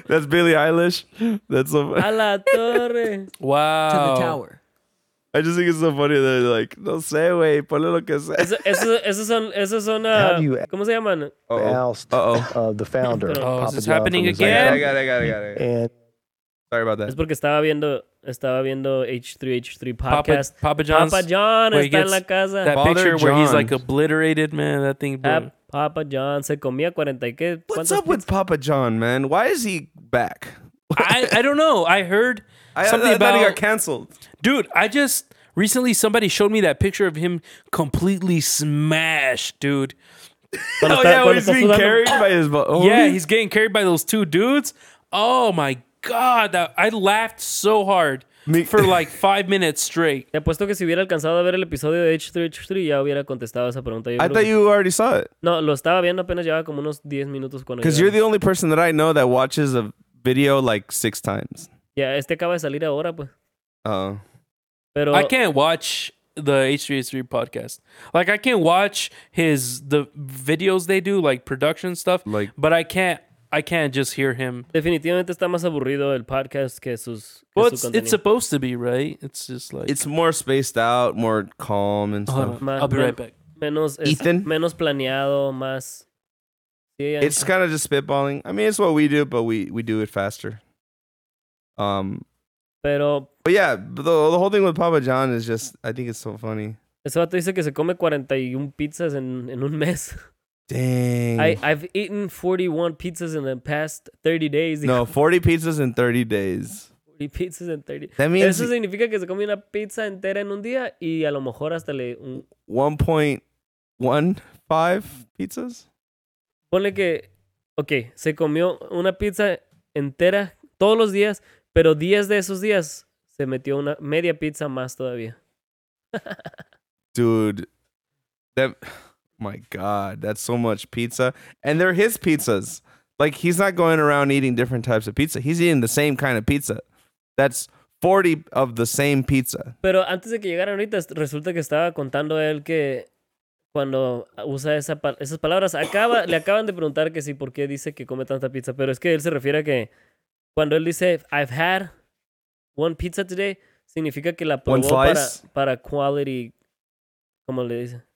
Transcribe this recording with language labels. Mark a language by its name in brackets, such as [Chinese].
[English] That's Billie Eilish. That's so funny. [Spanish] A la torre. [English] Wow. To the tower. I just think it's so funny that they're like, [Spanish] no sé, güey, ponle lo que sea. Esos son [English] how do you ask? [Spanish] ¿Cómo se llaman? [English] Uh-oh. The founder. Oh, is this happening again? I got it. Sorry about that. [Spanish] Es porque estaba viendo H3H3 podcast. [English] Papa John's. [Spanish] Papa John está en la casa. [English] That Father picture John. Where he's like obliterated, man. That thing. [Spanish] Papa John se comía 40 y qué. [English] What's up with Papa John, man? Why is he back? I don't know. I heard something about... I thought he got canceled. Dude, I just... Recently, somebody showed me that picture of him completely smashed, dude. he's being carried by his... Oh, yeah, he's getting carried by those two dudes. Oh, my God. God, I laughed so hard for like 5 minutes straight. [Spanish] Te apuesto que si hubiera alcanzado a ver el episodio de H3H3 ya hubiera contestado esa pregunta. [English] I thought you already saw it. [Spanish] No, lo estaba viendo apenas llevaba como unos 10 minutos cuando. [English] Because you're the only person that I know that watches a video like 6 times. [Spanish] Yeah, este acaba de salir ahora, pues. [English] Oh. [Spanish] Pero [English] I can't watch the H3H3 podcast. Like I can't watch the videos they do, like production stuff. Like, but I can't just hear him. [Spanish] Definitivamente está más aburrido el podcast que sus. [English] Well, it's supposed to be, right? It's just like it's more spaced out, more calm and stuff. I'll be right back. [Spanish] Menos [English] Ethan. [Spanish] Menos planeado, más. [English] It's kind of just spitballing. I mean, it's what we do, but we do it faster. But the whole thing with Papa John is just I think it's so funny. [Spanish] Ese vato dice que se come 41 pizzas en un mes. [English] Dang. I've eaten 41 pizzas in the past 30 days. No, 40 pizzas in 30 days. 40 pizzas in 30. That means... [Spanish] Eso significa que se come una pizza entera en un día y a lo mejor hasta le... [English] 1.15 pizzas? [Spanish] Ponle que... Okay, se comió una pizza entera todos los días, pero 10 de esos días se metió una media pizza más todavía. [English] Dude. My God, that's so much pizza. And they're his pizzas. Like, he's not going around eating different types of pizza. He's eating the same kind of pizza. That's 40 of the same pizza. [Spanish] Pero antes de que llegara ahorita, resulta que estaba contando él que cuando usa esas palabras, le acaban de preguntar que sí, por qué dice que come tanta pizza. Pero es que él se refiere a que cuando él dice, [English] I've had one pizza today, [Spanish] significa que la probó para quality, ¿cómo le dice?